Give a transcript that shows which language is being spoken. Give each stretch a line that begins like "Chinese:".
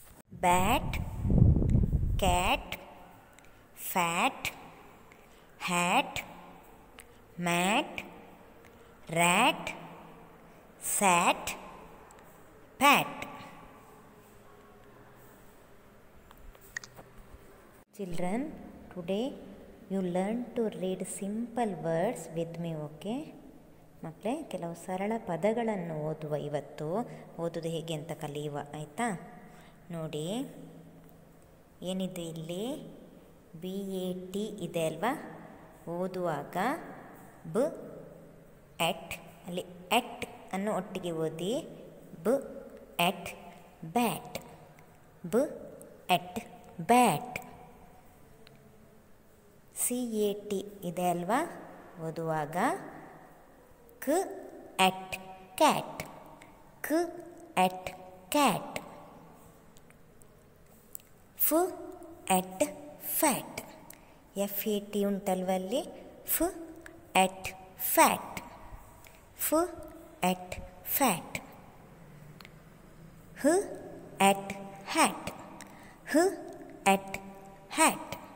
English: Bat, cat, fat, hat, mat, rat, sat, pat. Children, today you learn to read simple words with me, okay?
Kannada: ಮಕ್ಕಳೆ, ಕೆಲವು ಸರಳ ಪದಗಳನ್ನು ಓದುವ ಇವತ್ತು ಓದುವುದು ಹೇಗೆ ಅಂತ ಕಲಿಯುವ, ಆಯಿತಾ? ನೋಡಿ ಏನಿದೆ ಇಲ್ಲಿ, ಬಿ ಎ ಟಿ ಇದೆ ಅಲ್ವಾ, ಓದುವಾಗ ಬ ಎಟ್ ಅಲ್ಲಿ ಎಟ್ ಅನ್ನು ಒಟ್ಟಿಗೆ ಓದಿ, ಬ ಎಟ್ ಬ್ಯಾಟ್, ಬ ಎಟ್ ಬ್ಯಾಟ್. ಸಿ ಎ ಟಿ ಇದೆ ಅಲ್ವಾ, ಓದುವಾಗ
English: k at cat, k at cat. F at fat, f a t
Kannada: ಉಂಟಲ್ವಲ್ಲಿ,
English: f at fat, f at fat. H at hat, h at hat.